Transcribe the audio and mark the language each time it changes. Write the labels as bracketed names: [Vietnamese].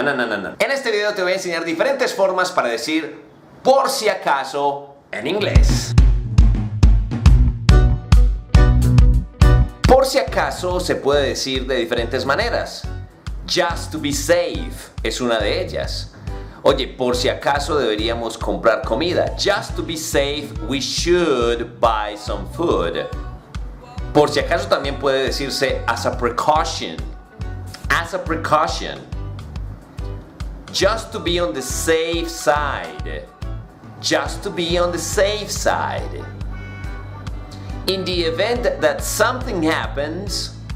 [Spanish] En este video te voy a enseñar diferentes formas para decir por si acaso en inglés. Por si acaso se puede decir de diferentes maneras. [English] Just to be safe [Spanish] es una de ellas. Oye, por si acaso deberíamos comprar comida. [English] Just to be safe, we should buy some food. [Spanish] Por si acaso también puede decirse [English] as a precaution. As a precaution. Just to be on the safe side. Just to be on the safe side. In the event that something happens.